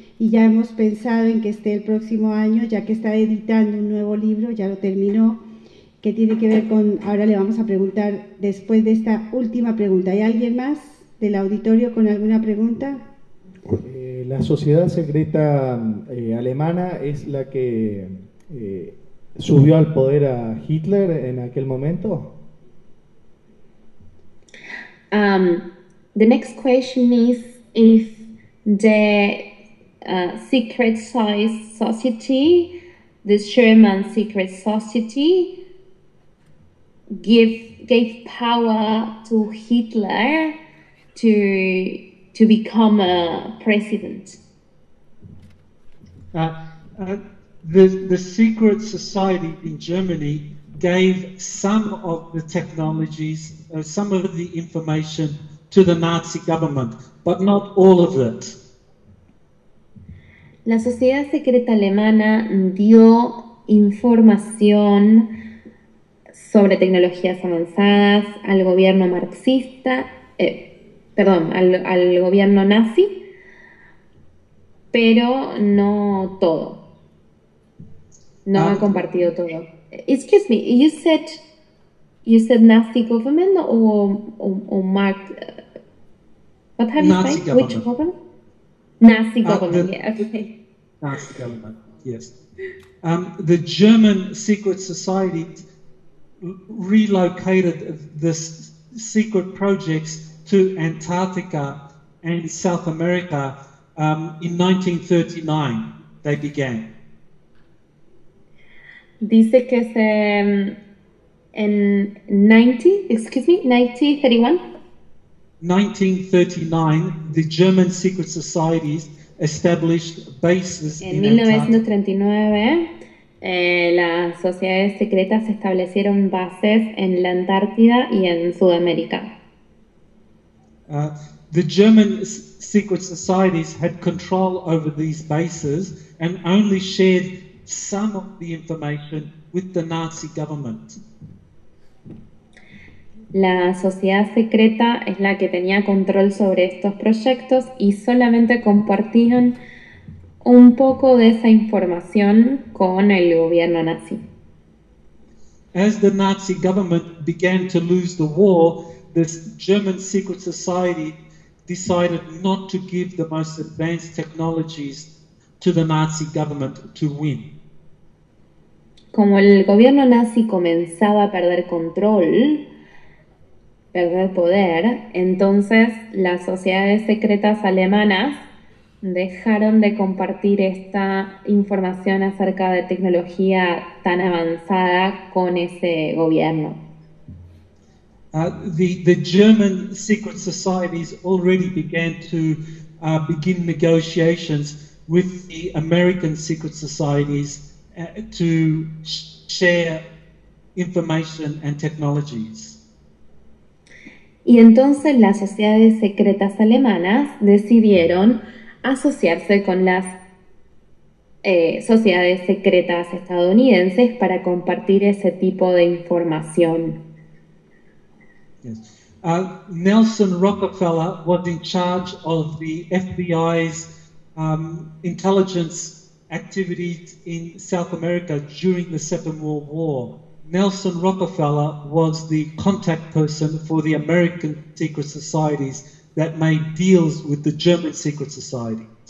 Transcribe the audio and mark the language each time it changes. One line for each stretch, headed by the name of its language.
Spanish: Y ya hemos pensado en que esté el próximo año, ya que está editando un nuevo libro, ya lo terminó, que tiene que ver con, ahora le vamos a preguntar después de esta última pregunta. ¿Hay alguien más del auditorio con alguna pregunta? La sociedad secreta alemana es la que subió al poder a Hitler en aquel momento.
English: The next question is if the secret society, the German secret society, gave power to Hitler to become a president. The secret society in Germany gave some of the technologies, some of the information to the Nazi government, but not all of it.
Spanish: La sociedad secreta alemana dio información sobre tecnologías avanzadas al gobierno marxista, al gobierno nazi, pero no todo. No ha compartido todo.
English: Excuse me, you said Nazi government or Marx? What have you said? Which government? Nazi government. Nazi government, yes. The German secret society relocated the secret projects to Antarctica and South America in 1939. They began.
Spanish: Dice que es en 1931.
English: 1939, the German secret societies established bases in Antarctica.
Spanish: Las sociedades secretas establecieron bases en la Antártida y en Sudamérica.
English: The German secret societies had control over these bases and only shared some of the information with the Nazi government.
Spanish: La sociedad secreta es la que tenía control sobre estos proyectos y solamente compartían un poco de esa información con el gobierno nazi.
English: As the Nazi government began to lose the war, the German secret society decided not to give the most advanced technologies to the Nazi government to win.
Spanish: Como el gobierno nazi comenzaba a perder control, perder poder, entonces las sociedades secretas alemanas dejaron de compartir esta información acerca de tecnología tan avanzada con ese gobierno.
English: The German secret societies already began to begin negotiations with the American secret societies to share information and technologies.
Spanish: Y entonces las sociedades secretas alemanas decidieron asociarse con las sociedades secretas estadounidenses para compartir ese tipo de información.
English: Yes. Nelson Rockefeller was in charge of the FBI's intelligence activities in South America during the Second World War. Nelson Rockefeller was the contact person for the American secret societies that made deals with the German secret societies.